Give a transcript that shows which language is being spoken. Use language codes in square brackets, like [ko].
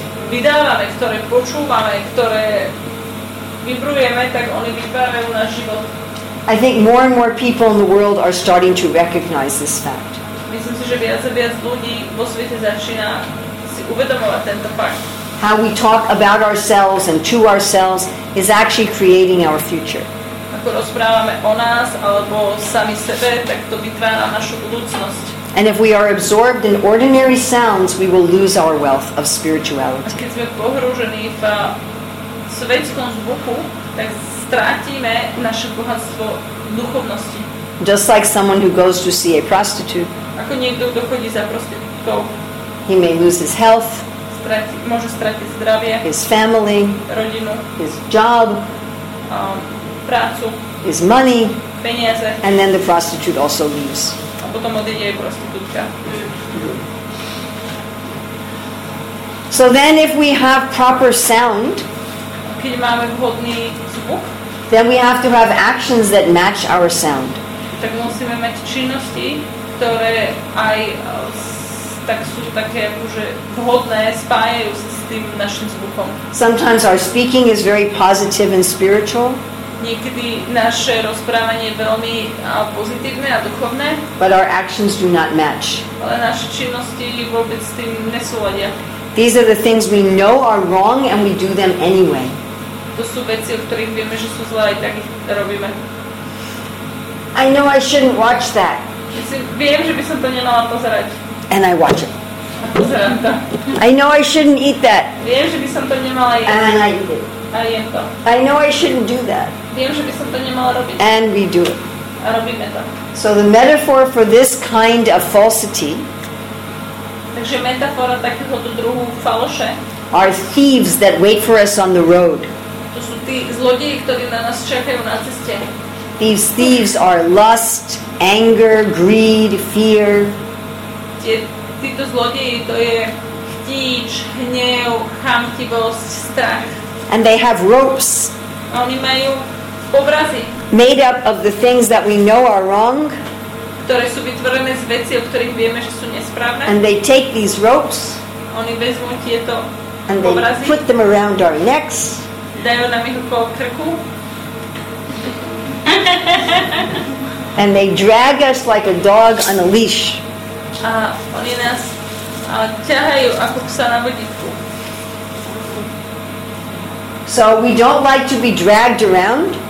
[sk] Vydávame, ktoré počúvame, ktoré vibrujeme, tak oni vyvarajú náš život. [en] I think more and more people in the world are starting to recognize this fact. [sk] Myslím si, že viac a viac ľudí vo svete začína si uvedomovať tento fakt. [en] How we talk about ourselves and to ourselves is actually creating our future. [sk] Ako rozprávame o nás alebo sami sebe, tak to vytvára našu budúcnosť. [en] And if we are absorbed in ordinary sounds, we will lose our wealth of spirituality. [sk] Keď sme pohrúžení v svetskom zvuku, tak strátime naše bohatstvo duchovnosti. [en] Just like someone who goes to see a prostitute. [sk] Ako niekto, kto chodí za prostitútkou. [en] He may lose his health. [sk] Môže stratiť zdravie. [en] His family. [sk] Rodinu. [en] His job. [sk] Prácu. [en] His money. [sk] Peniaze. [en] And then the prostitute also leaves. [sk] Potom odjde aj prostitútka. [en] So then if we have proper sound, [sk] keď máme vhodný zvuk, [en] then we have to have actions that match our sound. [sk] Tak musíme mať činnosti, ktoré aj tak sú také akože vhodné, spájajú sa s tým našim zvukom. [en] Sometimes our speaking is very positive and spiritual. [sk] niekedy naše rozprávanie je veľmi pozitívne a duchovné. [en] But our actions do not match. [sk] Ale naše činnosti vôbec s tým nesúladia. [en] These are the things we know are wrong and we do them anyway. [sk] To sú veci, o ktorých vieme, že sú zlé, aj tak ich robíme. [en] I know I shouldn't watch that. [sk] Viem, že by som to nemala pozerať. [en] And I watch it. [sk] A pozerám to. [en] I know I shouldn't eat that. [sk] Viem, že by som to nemala jesť. [en] And I eat it. [sk] A jem to. [en] I know I shouldn't do that. [sk] Viem, že by som to nemala robiť. [en] And we do it. [sk] A robíme to. [en] So the metaphor for this kind of falsity, [sk] takže metafora takéhoto druhu faloše, [en] are thieves that wait for us on the road. [sk] To sú tí zlodeji, ktorí na nás čakajú na ceste. [en] These thieves are lust, anger, greed, fear. [sk] Títo zlodeji, to je chtíč, hnev, chamtivosť, strach. [en] And they have ropes. [sk] Oni majú obrazy. [en] Made up of the things that we know are wrong. [sk] Ktoré sú vytvorené z vecí, o ktorých vieme, že sú nesprávne. [en] And they take these ropes. [sk] Oni vezmú tieto [en] and [sk] obrazy. [en] They put them around our necks. [sk] Dajú nám ich okolo krku. [en] And they drag us like a dog on a leash. [sk] A oni nás ťahajú ako psa na vodítku. [en] So we don't like to be dragged around.